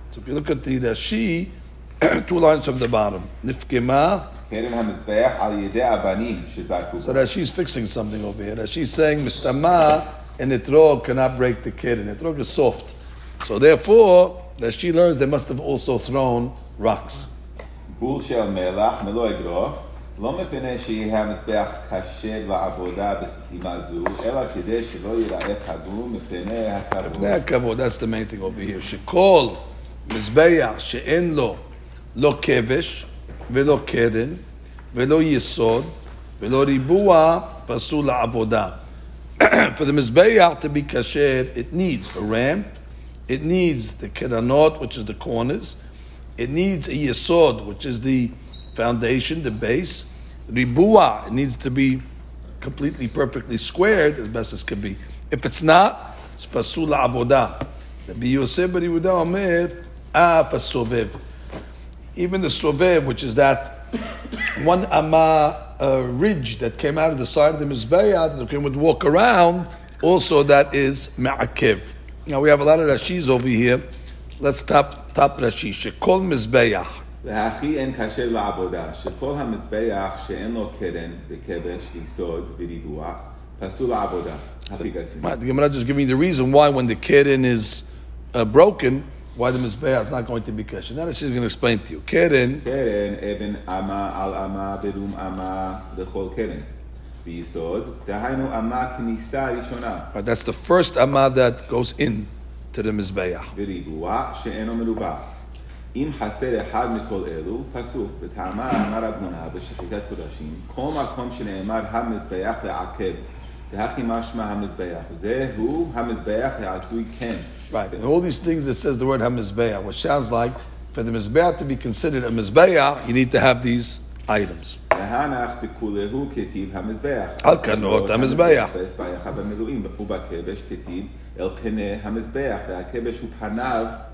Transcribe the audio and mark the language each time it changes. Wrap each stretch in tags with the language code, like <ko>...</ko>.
<en>So if you look at the Rashi, two lines from the bottom. Nifkema. So Rashi is fixing something over here. Rashi is saying Mistama and Etrog cannot break the Keren. Etrog is soft. So therefore, Rashi learns they must have also thrown rocks.</en> <he>Bul shel melach melo egrof. לא מפני שיהיה המזבח קשה לעבודה בסתימה זו, אלא כדי שלא יראה פגום מפני הכבוד. מפני הכבוד,</he> <en>that's the main thing over here,</en> <he>שכל מזבח שאין לו לא כבש ולא קרן ולא יסוד ולא ריבוע פסול לעבודה.</he> <en>For the מזבח to be kasher, it needs a ramp, it needs the קרנות, which is the corners, it needs a יסוד, which is the foundation, the base. Ribua, it needs to be completely, perfectly squared as best as can be. If it's not, it's</en> <he>pasul avoda. Rabbi Yosef bar Yehuda omer, af asovev.</he> <en>Even the sovev, which is that one ama ridge that came out of the side of the mizbeah that the king would walk around, also that is ma'akev. Now we have a lot of Rashis over here. Let's top Rashi.</en> <he>Shekol mizbeah. והכי אין קשר לעבודה, שכל המזבח שאין לו קרן וכבש, יסוד וריבוע, פסול לעבודה, הכי גרסים.</he> <en>The Gemara just giving me the reason why when the קרן is broken, why the מזבח is not going to be kosher. Now she's going to explain to you. קרן.</en> <he>קרן, אבן אמה על אמה ברום אמה לכל קרן. ויסוד, דהיינו אמה כניסה ראשונה.</he> <en>But that's the first אמה that goes in to the מזבח.</en> <he>וריבוע שאינו מרובע. אם חסר אחד מכל אלו, פסוק, בטעמה אמר אבנונה בשחיתת קודשים, כל מקום שנאמר המזבח לעקב, והכי משמע המזבח, זהו המזבח לעשוי כן.</he> <en>Right, and all these things that says the word המזבח, which sounds like, for the מזבח to be considered a מזבח, you need to have these items.</en> <he>והנח בכולהו כתיב המזבח. על כנות המזבח. והמזבח במילואים, ובכבש כתיב אל פני המזבח, והכבש הוא פניו,</he>